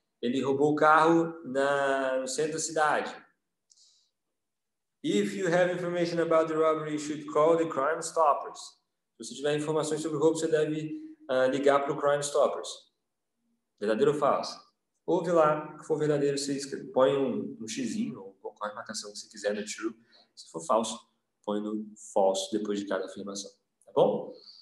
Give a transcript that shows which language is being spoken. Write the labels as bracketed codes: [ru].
[pt] Ele roubou o carro no centro da cidade. [en] If you have information about the robbery, you should call the Crime Stoppers. [pt] Se você tiver informações sobre o roubo, você deve ligar para o Crime Stoppers. Verdadeiro ou falso? Ouve lá, que for verdadeiro, você escreve, põe um xizinho ou qualquer marcação que você quiser no true. Se for falso, põe no falso depois de cada afirmação. Tá bom?